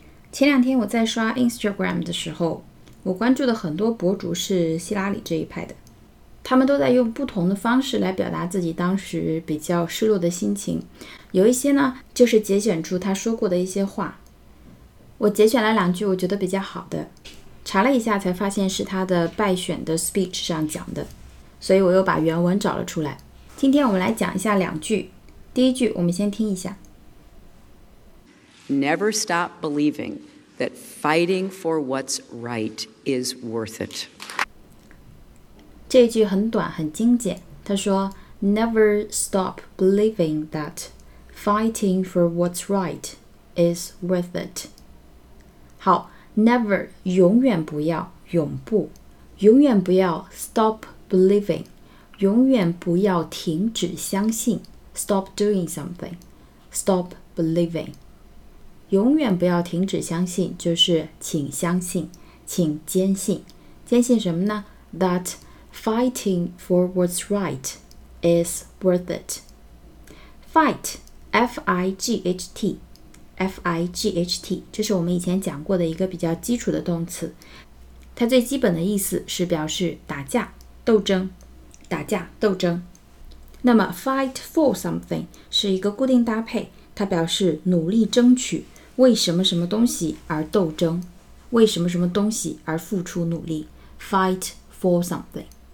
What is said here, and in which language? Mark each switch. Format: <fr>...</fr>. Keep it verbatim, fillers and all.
<zh>前两天我在刷 Instagram 的时候，我关注的很多博主是希拉里这一派的，他们都在用不同的方式来表达自己当时比较失落的心情，有一些呢就是节选出他说过的一些话。我节选了两句我觉得比较好的，查了一下才发现是他的败选的 speech 上讲的，所以我又把原文找了出来。今天我们来讲一下两句，第一句我们先听一下。</zh> <en>Never stop believing that fighting for what's right is worth it。</en> <zh>这一句很短很精简，他说</zh> <en>Never stop believing that fighting for what's right is worth it。</en> <zh>好， never 永远不要，永不，永远不要</zh> <en>stop believing，</en> <zh>永远不要停止相信，</zh> <en>stop doing something，</en> <zh>stop believing， 永远不要停止相信，就是请相信，请坚信，坚信什么呢？</zh> <en>that fighting for what's right is worth it。</en> <zh>Fight, F I G H T, F I G H T， 这是我们以前讲过的一个比较基础的动词，它最基本的意思是表示打架、斗争，打架、斗争。那么</zh> <en>fight for something</en> <zh>是一个固定搭配，它表示努力争取，为什么什么东西而斗争，为什么什么东西而付出努力， fight for something。</zh>